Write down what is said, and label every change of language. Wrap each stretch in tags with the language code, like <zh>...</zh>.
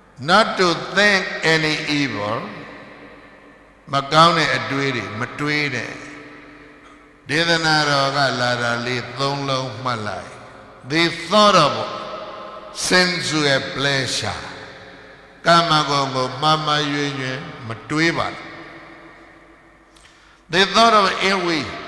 <en>Not to think any evil.</en> <my>မကောင်းတဲ့အတွေးတွေမတွေးနဲ့။ဒေသနာတော်ကလာတာလေးသုံးလုံးမှတ်လိုက်.</my> <en>The thought of sensual pleasure.</en> <my>ကာမဂုဏ်ကိုမမယွင်းယွင်းမတွေးပါ</my> <en>The thought of envy.</en>